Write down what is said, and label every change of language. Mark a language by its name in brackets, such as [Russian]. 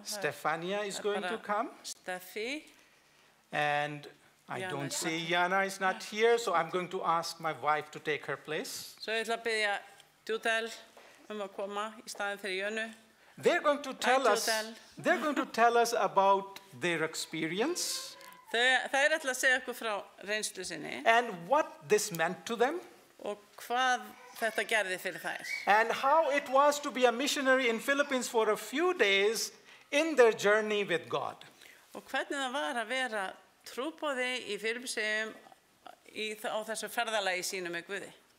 [English] Stefania is going to come. Steffi. And I don't see Jana is not here, so I'm going to ask my wife to take her place. [Icelandic] Svo ég ætla að beðja Dutel að koma í staðinn fyrir Jönu. [English] They're going to tell us. They're going to tell us about their experience. [Icelandic] Þau eru ætla að segja okkur frá reynslu sinni. [English] And what this meant to them. [Icelandic] Og hvað þetta gerði fyrir þær. [English] And how it was to be a missionary in Philippines for a few days in their journey with God. [Icelandic] Og hvernig það var að vera trúboði í Filippseyjum á þessu ferðalagi sínu með Guði.